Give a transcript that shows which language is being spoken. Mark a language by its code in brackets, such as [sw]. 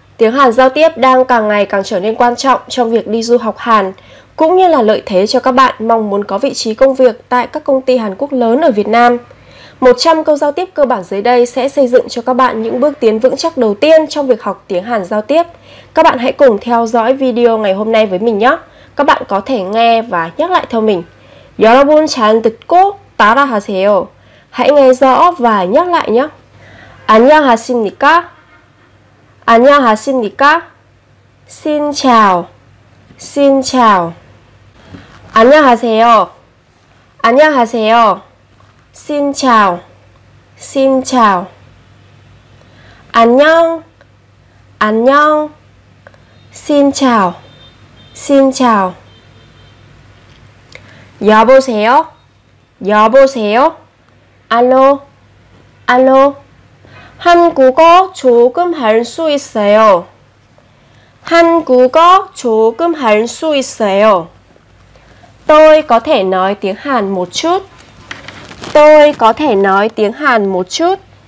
[vi] Tiếng Hàn giao tiếp đang càng ngày càng trở nên quan trọng trong việc đi du học Hàn, cũng như là lợi thế cho các bạn mong muốn có vị trí công việc tại các công ty Hàn Quốc lớn ở Việt Nam. 100 câu giao tiếp cơ bản dưới đây sẽ xây dựng cho các bạn những bước tiến vững chắc đầu tiên trong việc học tiếng Hàn giao tiếp. Các bạn hãy cùng theo dõi video ngày hôm nay với mình nhé. Các bạn có thể nghe và nhắc lại theo mình. [ko] 여러분 잘 듣고 따라하세요. [vi] Hãy nghe rõ và nhắc lại nhé. [ko] 안녕하십니까? 안녕하십니까? [vi] 신차오 신차오 [ko] 안녕하세요 안녕하세요 신차오 신차오 안녕 안녕 신차오 신차오 여보세요 여보세요 [vi] 알로 알로 [ko] 한국어 조금 할 수 있어요. 한국어 조금 할 수 있어요. [vi] Tôi có thể nói tiếng Hàn một chút. Tôi có thể nói tiếng Hàn một chút.